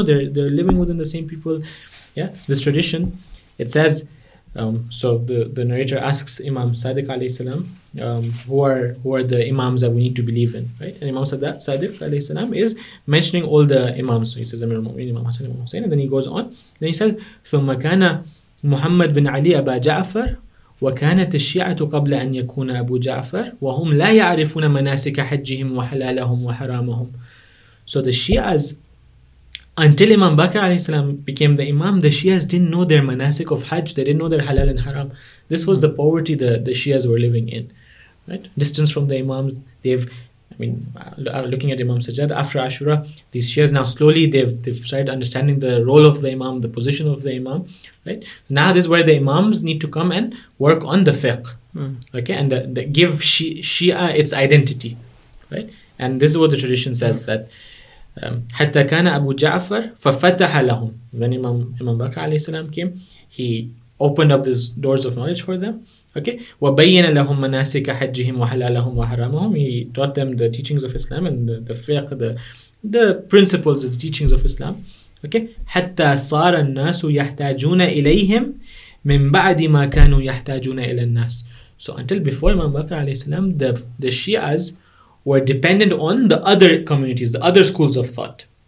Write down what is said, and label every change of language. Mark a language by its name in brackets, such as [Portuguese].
[English] No, they're living within the same people. Yeah, this tradition, it says, so the narrator asks Imam Sadiq alayhi salam, who are the Imams that we need to believe in, right? And Imam Sadiq alayhi salam is mentioning all the Imams. So he says, Imam Hassan, Imam Hussein, and then he goes on. Then he says, [Arabic] ثُمَّ كَانَ مُحَمَّدْ بِنْ عَلِي أَبَا جَعْفَرْ وكانت الشيعة قبل أن يكون أبو جعفر وهم لا يعرفون مناسك حجهم وحلالهم وحرامهم. [English] So the Shias, until Imam Bakr alayhi salam became the Imam, the Shias didn't know their manasik of Hajj, they didn't know their halal and haram. This was the poverty the Shias were living in. right? Distance from the imams, looking at Imam Sajjad after Ashura, these Shias now slowly they've started understanding the role of the imam, the position of the imam, right? Now this is where the imams need to come and work on the fiqh, okay, and the give Shia its identity, right? And this is what the tradition says, that [Arabic] حَتَّى كَانَ أَبُو جَعْفَرْ فَفَتَّحَ لَهُمْ. [English] When Imam Bakr alayhi salam came, he opened up these doors of knowledge for them. Okay, [Arabic] وَبَيَّنَ لَهُمْ مَنَاسِكَ حَجِّهِمْ وَحَلَالَهُمْ وَحَرَامَهُمْ. [English] He taught them the teachings of Islam and the fiqh, the principles of the teachings of Islam. Okay, [Arabic] حَتَّى صَارَ النَّاسُ يَحْتَاجُونَ إِلَيْهِمْ مِنْ بَعْدِ مَا كَانُوا يَحْتَاجُونَ إِلَى النَّاسِ. [English] So until before Imam Bakr alayhi salam, the Shias were dependent on the other communities, the other schools of thought.